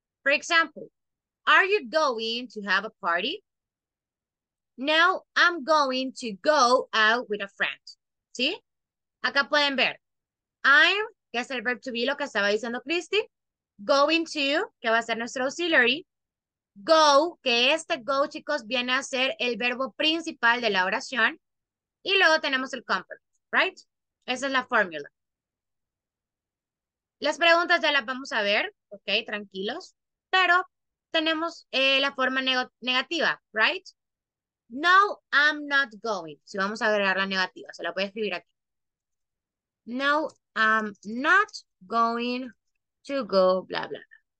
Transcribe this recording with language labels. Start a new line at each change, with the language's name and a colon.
English: For example, are you going to have a party? No, I'm going to go out with a friend.
Spanish: ¿Sí? Acá pueden ver, I'm, que es el verb to be, lo que estaba diciendo Christy, going to, que va a ser nuestro auxiliary, go, que este go, chicos, viene a ser el verbo principal de la oración, y luego tenemos el complement, right? Esa es la fórmula. Las preguntas ya las vamos a ver, ok, tranquilos, pero tenemos la forma negativa, right?
English: No, I'm not going.
Spanish: Si vamos a agregar la negativa, se la voy a escribir aquí.
English: No, I'm not going to go, bla, bla, bla.